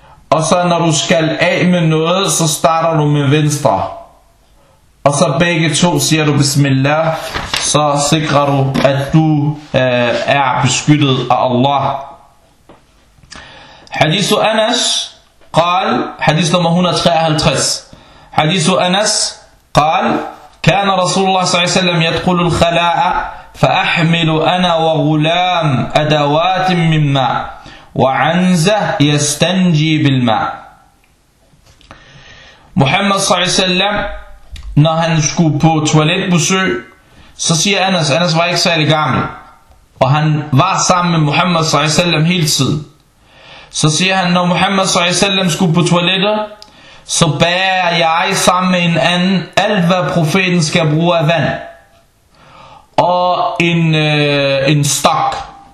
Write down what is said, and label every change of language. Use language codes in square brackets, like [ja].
[da] Og så når du skal af med noget, så starter du med venstre. Og så begge to siger du bismillah, så sikrer du, at du er beskyttet af Allah. Hadithu Anas قال, hadith nummer 153. [ar] Hadithu Anas قال, كان رسول الله صلى الله عليه وسلم يدخل الخلاء فأحمل أنا وغلام أدوات من ماء وعنزة يستنجي بالماء. [da] محمد صلى الله عليه وسلم, når han skulle på toiletbesøg, så siger Anas, Anas var ikke særlig gammel, og han var sammen med Muhammad s.a.v. hele tiden. Så siger han, når Muhammad s.a.v. skulle på toilettet, så bærer jeg sammen med en anden alt hvad profeten skal bruge af vand og en stok.